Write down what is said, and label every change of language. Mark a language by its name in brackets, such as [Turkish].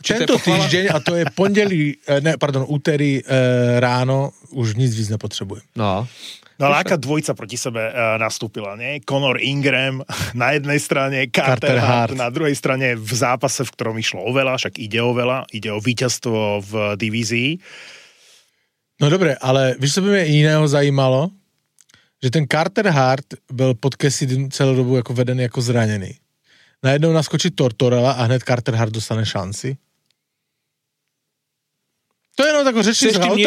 [Czech] Tento týždeň a to je pondelí, ne, pardon, úterý ráno, už nic víc nepotřebujem. No [Slovak] ale aká dvojica proti sebe nastúpila, nie? Conor Ingram na jednej strane, Carter Hart na druhej strane v zápase, v ktorom išlo o veľa, však ide o veľa, ide o víťazstvo v divízii. [Czech] No dobre, ale víš, co by mě iného zajímalo? Že ten Carter Hart byl pod Cassidy celou dobu jako veden jako zranený. Najednou naskočí Tortorella a hned Carter Hart dostane šanci. To je jenom taková řečnická otázka.